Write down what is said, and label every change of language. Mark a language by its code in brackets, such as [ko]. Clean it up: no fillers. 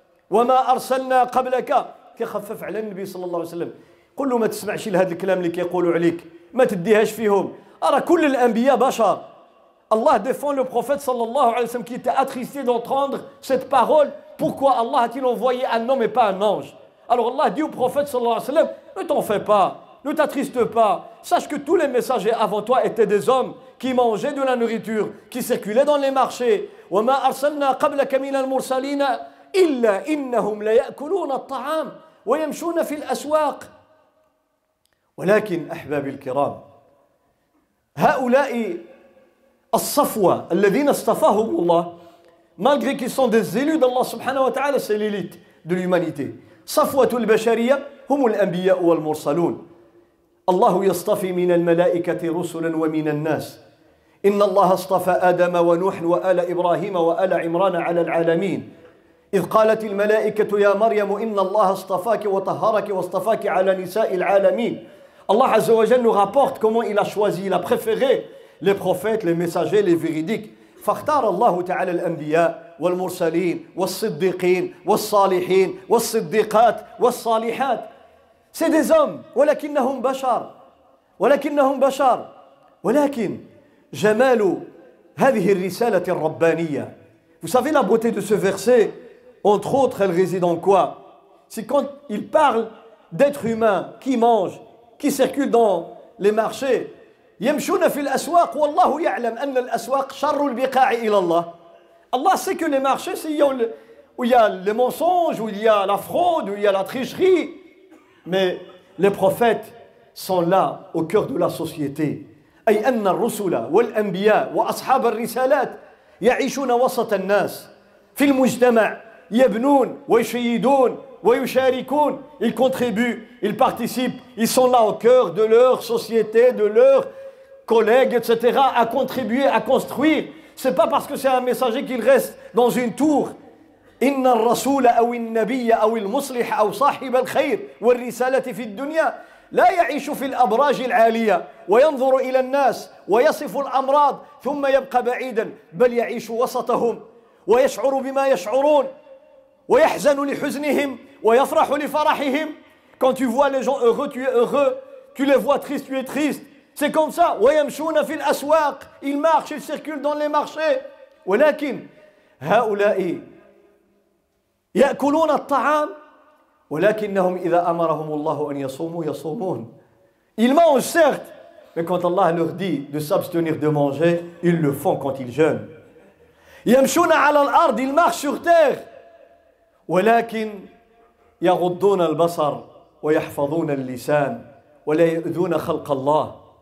[ar] وما أرسلنا قبلك كخفف على النبي صلى الله عليه وسلم قل له ما تسمعش لهذا الكلام اللي كيقولوا عليك ما تديهاش فيهم أرى كل الأنبياء بشر [fr] Allah défend le prophète sallallahu alayhi wa sallam qui était attristé d'entendre cette parole. Pourquoi Allah a-t-il envoyé un homme et pas un ange? Alors Allah dit au prophète sallallahu alayhi wa sallam, ne t'en fais pas, ne t'attriste pas. Sache que tous les messagers avant toi étaient des hommes qui mangeaient de la nourriture, qui circulaient dans les marchés. [ar] وَمَا أَرْسَلْنَا قَبْلَكَ مِنَ الْمُرْسَلِينَ إِلَّا إِنَّهُمْ لَيَأْكُلُونَ الطَّعَامِ وَيَمْشُونَ فِي الْأَسْوَاقِ ولكن أحباب الكرام هؤلاء الصفوه الذين اصطفاهم الله [fr] malgré qu'ils sont des élus d'Allah subhanahu wa ta'ala c'est l'élite de l'humanité [ar] صفوه البشريه هم الانبياء والمرسلون الله يصطفي من الملائكه رسلا ومن الناس ان الله اصطفى ادم ونوح وآل ابراهيم وآل عمران على العالمين اذ قالت الملائكه يا مريم ان الله اصطفاك وطهرك واصطفاك على نساء العالمين الله عز وجل [fr] nous rapporte comment il a choisi il a préféré les prophètes, les messagers, les véridiques. [ar] فاختار الله تعالى الأنبياء والمرسلين والصديقين والصالحين والصديقات والصالحات. [fr] C'est des hommes, [ar] ولكنهم بشر. ولكنهم بشر. ولكن جمال هذه الرسالة الربانية. [fr] Vous savez la beauté de ce verset? Entre autres, elle réside en quoi? c'est quand il parle d'êtres humains qui mangent, qui circulent dans les marchés. [ar] يَمْشُونَ فِي الْأَسْوَاقِ وَاللَّهُ يَعْلَمْ أَنَّ الْأَسْوَاقِ شَرُّ الْبِقَاعِ إِلَى اللَّهِ. [fr] Allah sait que les marchés, c'est où il y a les mensonges, où il y a la fraude, où il y a la tricherie. Mais les prophètes sont là, au cœur de la société. [ar] أي أن الرسل والأنبياء وأصحاب الرسالات يعيشون وسط الناس في المجتمع يبنون ويشيدون ويشاركون. [fr] Ils contribuent, ils participent, ils sont là au cœur de leur société, de leurs collègues, etc. à contribuer, à construire. C'est pas parce que c'est un messager qu'il reste dans une tour. [ar] إن الرسول أو النبي أو المصلح أو صاحب الخير والرسالة في الدنيا لا يعيش في الأبراج العالية وينظر إلى الناس ويصف الأمراض ثم يبقى بعيدا بل يعيش وسطهم ويشعر بما يشعرون ويحزن لحزنهم ويفرح لفرحهم. [fr] Quand tu vois les gens heureux, tu es heureux. Tu les vois tristes, tu es triste. C'est comme ça. [ar] ويمشون في الأسواق. [fr] Ils marchent, ils circulent dans les marchés. [ar] ولكن هؤلاء يأكلون الطعام ولكنهم إذا أمرهم الله أن يصوموا يصومون. [fr] Ils mangent certes, mais quand Allah leur dit de s'abstenir de manger, ils le font quand ils jeûnent. [ar] يمشون على الأرض, [fr] ils marchent sur terre. [ar] ولكن يغضون البصر ويحفظون اللسان ولا يؤذون خلق الله.